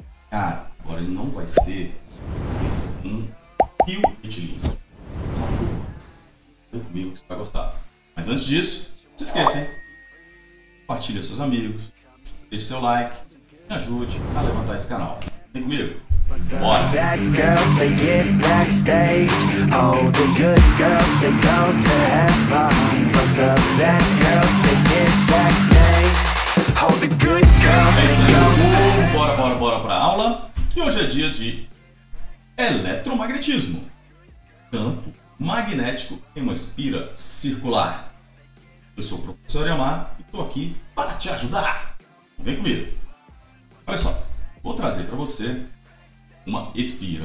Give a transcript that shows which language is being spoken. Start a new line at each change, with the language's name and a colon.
Portuguese: Cara, agora ele não vai ser um fio retilíneo. Vem comigo que você vai gostar. Mas antes disso, não se esqueça, hein? Compartilhe com seus amigos, deixe seu like, me ajude a levantar esse canal. Vem comigo.
English: Bad girls, they get backstage. Oh, the good girls, they go to heaven. But the bad girls, they get backstage. Oh, the good girls, they go to heaven.
Portuguese: Bora pra aula, que hoje é dia de eletromagnetismo. Campo magnético em uma espira circular. Eu sou o professor Elmar e estou aqui para te ajudar. Vem comigo. Olha só, vou trazer para você uma espira.